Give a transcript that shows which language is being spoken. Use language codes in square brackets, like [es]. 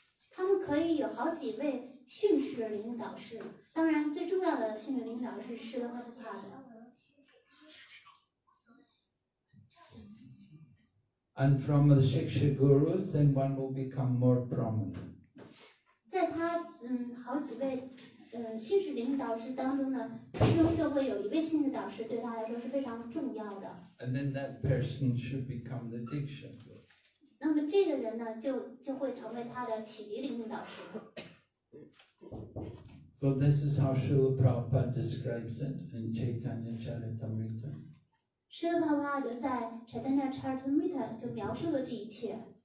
[zh] 他们可以有好几位训示领导师，当然最重要的训示领导是Srila Prabhupada。 [en] And from the Shiksha gurus, then one will become more prominent. [zh] 在他好几位训示领导师当中呢，其中就会有一位训示导师对他来说是非常重要的。 [en] And then that person should become the Diksha guru. [zh] 那么这个人呢，就会成为他的启迪领导师。 [en] So this is how Srila Prabhupada describes it in Chaitanya Charitamrita. [zh] 舍巴巴的在查丹纳查尔特米特就描述了这一切。